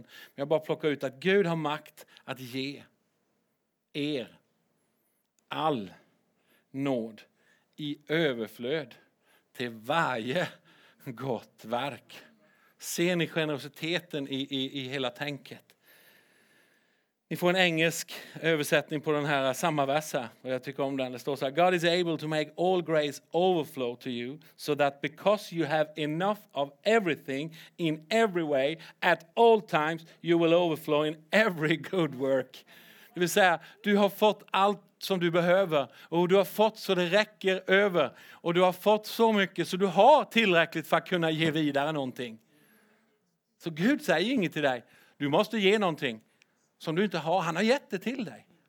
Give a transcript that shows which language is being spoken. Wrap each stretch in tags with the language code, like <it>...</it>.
<sv>Men jag bara plockar ut att Gud har makt att ge er all nåd i överflöd till varje gott verk. Ser ni generositeten i hela tänket? Ni får en engelsk översättning på den här samma vers här, och jag tycker om den.</sv> <en>Det står så här: God is able to make all grace overflow to you so that because you have enough of everything in every way at all times you will overflow in every good work.</en> <sv>Det vill säga, du har fått allt som du behöver och du har fått så det räcker över och du har fått så mycket så du har tillräckligt för att kunna ge vidare någonting. Så Gud säger inget till dig. Du måste ge någonting som du inte har. Han har gett det till dig.</sv>